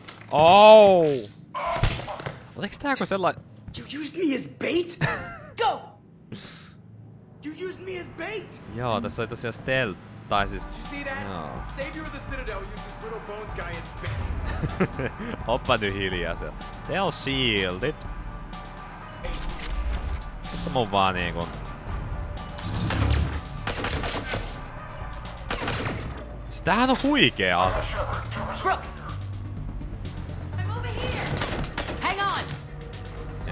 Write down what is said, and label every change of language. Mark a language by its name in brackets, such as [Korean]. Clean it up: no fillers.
[Finnish] Oh! Oliks tää ku sellai... [English] You used me as bait? Go! You used me as bait! [Finnish] Joo, tässä oli tosiaan stealth, tai siis... [English] Did you see that? No. Savior of the Citadel used this little bones guy as bait. [Finnish] Hoppa nyt hiljaa siellä. [English] They'll shield it. [Finnish] Mistä mun vaan niinku... Siis tämähän on huikea ase. [English] Brooks! I'm over here! Hang on!